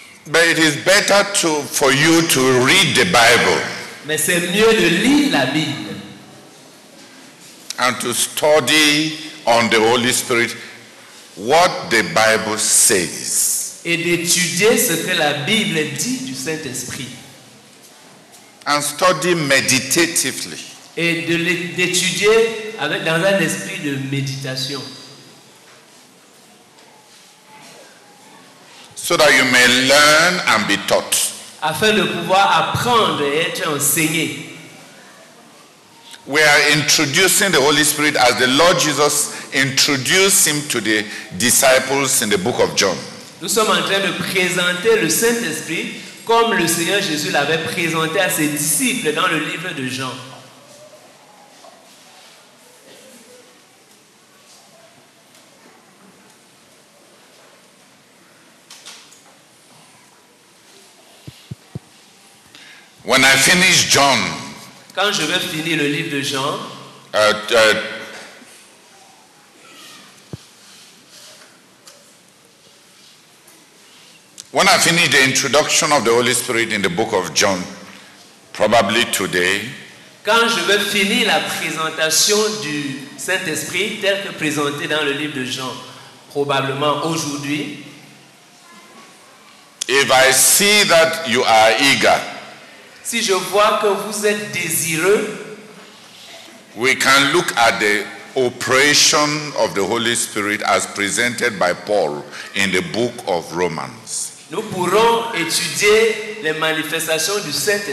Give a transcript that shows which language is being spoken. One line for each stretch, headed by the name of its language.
English: But it is better to for you to read the Bible.
French: Mais c'est mieux de lire la Bible.
English: And to study on the Holy Spirit what the Bible says.
French: Et d'étudier ce que la Bible dit du Saint-Esprit.
English: and study meditatively.
French: Et de l'étudier avec dans un esprit de méditation.
English: So that you may learn and be taught.
French: Afin de pouvoir apprendre et être enseigné.
English: We are introducing the Holy Spirit as the Lord Jesus introduced him to the disciples in the book of John.
French: Nous sommes en train de présenter le Saint-Esprit comme le Seigneur Jésus l'avait présenté à ses disciples dans le livre de Jean.
English: When I finish John,
French: quand je vais finir le livre de Jean,
English: when I finish the introduction of the Holy Spirit in the book of John, probably today,
French: quand je vais finir la présentation du Saint-Esprit tel que présenté dans le livre de Jean, probablement aujourd'hui,
English: if I see that you are eager,
French: si je vois que vous êtes désireux,
English: we can look at the operation of the Holy Spirit as presented by Paul in the book of Romans.
French: Nous pourrons étudier les manifestations du Saint-Esprit.